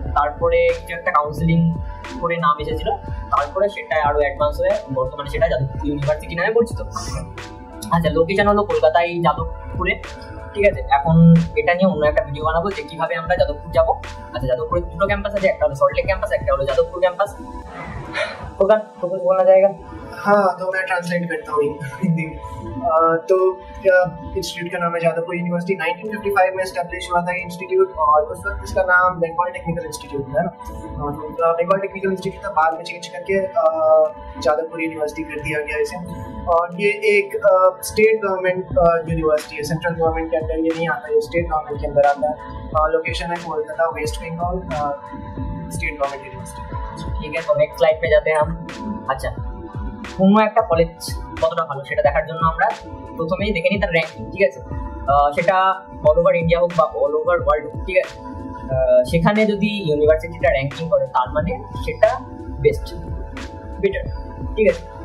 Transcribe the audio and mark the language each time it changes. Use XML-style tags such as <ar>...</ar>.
<bn>তারপরে কিছু একটা কাউন্সিলিং করে নাম এসেছিল, তারপরে সেটা আরও অ্যাডভান্স হয়ে বর্তমানে সেটা যাদবপুর ইউনিভার্সিটি নামে পরিচিত। আচ্ছা, লোকেশন হলো কলকাতায় যাদবপুরে, ঠিক আছে। এখন এটা নিয়ে অন্য একটা ভিডিও বানাবো যে কিভাবে আমরা যাদবপুর যাবো। আচ্ছা, যাদবপুরে দুটো ক্যাম্পাস আছে, একটা হলো সল্ট লেক ক্যাম্পাস, একটা হলো যাদবপুর ক্যাম্পাস। ওখান থেকে কোন জায়গা?</bn> <hi>हाँ, तो मैं ट्रांसलेट करता हूँ हिंदी। तो इंस्टीट्यूट का नाम है जादवपुर यूनिवर्सिटी, 1955 में एस्टेब्लिश हुआ था इंस्टीट्यूट, और उस वक्त इसका नाम बेंगाल टेक्निकल इंस्टीट्यूट है ना। तो बेंगाल टेक्निकल इंस्टीट्यूट था, बाद में चेंज करके जादवपुर यूनिवर्सिटी कर दिया गया इसे। और ये एक स्टेट गवर्नमेंट यूनिवर्सिटी है, सेंट्रल गवर्नमेंट के अंदर ये नहीं आता, ये स्टेट गवर्नमेंट के अंदर आता है। लोकेशन है Kolkata waste Bengal, state government university, ठीक है। तो नेक्स्ट स्लाइड पे जाते हैं हम।</hi> <bn>अच्छा, কোনো একটা কলেজ কতটা ভালো সেটা দেখার জন্য আমরা প্রথমেই দেখে নিই তার র্যাঙ্কিং, ঠিক আছে। সেটা অল ওভার ইন্ডিয়া হোক বা অল ওভার ওয়ার্ল্ড, ঠিক আছে। সেখানে যদি ইউনিভার্সিটিটা র্যাঙ্কিং করে তার মানে সেটা বেস্ট, বেটার, ঠিক আছে।</bn>